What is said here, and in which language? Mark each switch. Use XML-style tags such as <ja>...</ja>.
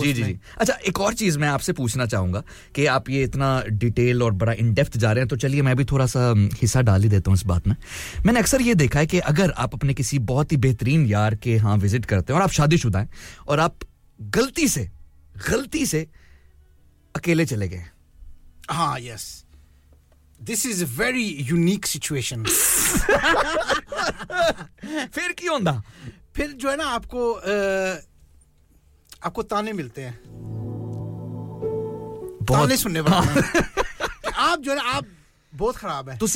<hi>जी जी जी अच्छा एक और चीज मैं आपसे पूछना चाहूंगा कि आप ये इतना डिटेल और बड़ा इन डेप्थ जा रहे हैं तो चलिए मैं भी थोड़ा सा हिस्सा डाल ही देता हूं इस बात में मैंने अक्सर ये देखा है कि अगर आप अपने किसी बहुत ही बेहतरीन यार के हां विजिट करते हैं और आप शादीशुदा हैं और आप गलती से अकेले चले गए</hi> <en>हां yes This is a very unique situation.</en> <hi>फिर क्यों होंदा? फिर जो है ना आपको आपको ताने मिलते हैं. बहुत ताने सुनने वाले. आप जो है ना आप बहुत खराब हैं.</hi>